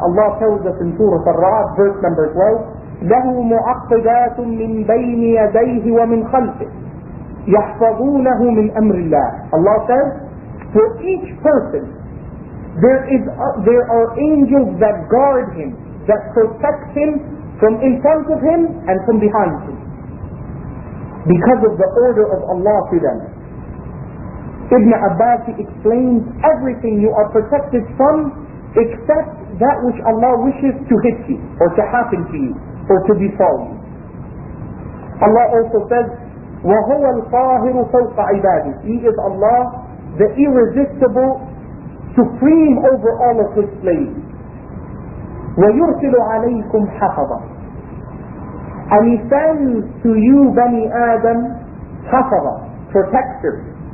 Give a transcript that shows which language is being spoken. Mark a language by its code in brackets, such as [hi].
[en] Allah tells us in Surah Ar-Ra'd, verse number 12, [ar] لَهُ مُعَقِّدَاتٌ مِّن بَيْنِ يَدَيْهِ وَمِنْ خَلْفِهِ يَحْفَظُونَهُ مِنْ أَمْرِ اللَّهِ [en] Allah says, for each person, there are angels that guard him, that protect him from in front of him and from behind him, because of the order of Allah to them. Ibn Abbas explains everything you are protected from except that which Allah wishes to hit you or to happen to you or to befall you. Allah also says, [ar] وَهُوَ الْقَاهِرُ فَوْقَ عِبَادِهِ. [en] He is Allah, the irresistible, supreme over all of His slaves. [ar] وَيُرْسِلُ عَلَيْكُمْ حَفَظًا. [en] And He sends to you, Bani Adam, حَفَظًا, protector.